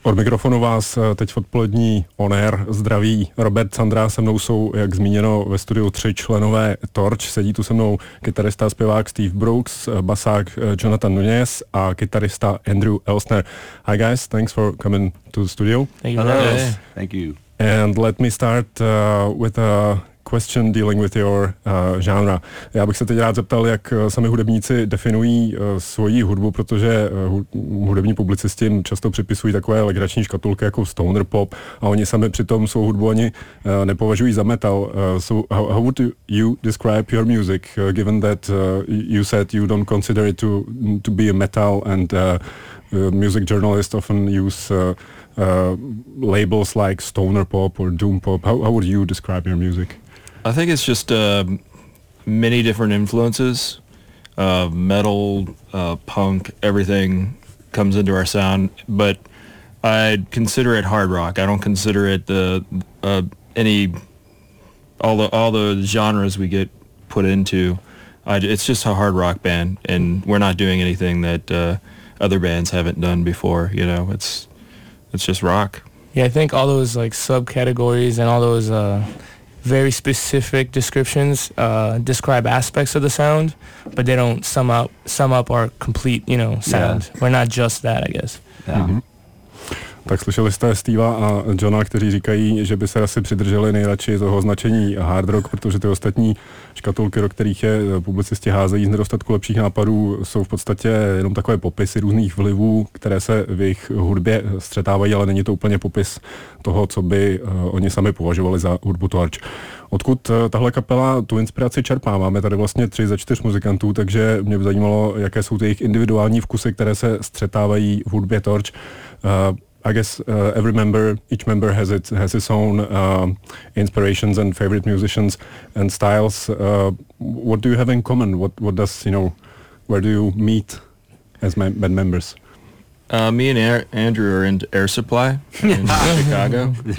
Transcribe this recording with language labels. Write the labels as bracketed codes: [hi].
[cs] Od mikrofonu vás teď v odpolední on air zdraví Robert Sandra, se mnou jsou, jak zmíněno, ve studiu tři členové Torch. Sedí tu se mnou kytarista a zpěvák Steve Brooks, basák Jonathan Nunez a kytarista Andrew Elsner. [en] Hi guys, thanks for coming to the studio. Thank you. And let me start with a question dealing with your genre. [cs] Já bych se teď rád zeptal, jak sami hudebníci definují svoji hudbu, protože hudební publicisti často připisují takové legrační škatulky jako stoner pop a oni sami přitom svou hudbu ani nepovažují za metal. [en] How would you describe your music, given that you said you don't consider it to be a metal and music journalists often use labels like stoner pop or doom pop. How would you describe your music? I think it's just many different influences, metal, punk, everything comes into our sound, but I consider it hard rock. I don't consider it all the genres we get put into. It's just a hard rock band, and we're not doing anything that other bands haven't done before, you know, it's just rock. Yeah, I think all those like subcategories and all those very specific descriptions describe aspects of the sound, but they don't sum up our complete, you know, sound. Yeah. We're not just that, I guess. Yeah. Mm-hmm. [cs] Tak slyšeli jste Steva a Johna, kteří říkají, že by se asi přidrželi nejradši toho značení hard rock, protože ty ostatní škatulky, do kterých je publicisti házejí z nedostatku lepších nápadů, jsou v podstatě jenom takové popisy různých vlivů, které se v jejich hudbě střetávají, ale není to úplně popis toho, co by oni sami považovali za hudbu Torch. Odkud tahle kapela tu inspiraci čerpá? Máme tady vlastně 3 ze 4 muzikantů, takže mě by zajímalo, jaké jsou ty jejich individuální vkusy, které se střetávají v hudbě Torch. [en] I guess each member has its own inspirations and favorite musicians and styles. What do you have in common? What does, you know, where do you meet as band members? Me and Andrew are into Air Supply in Chicago.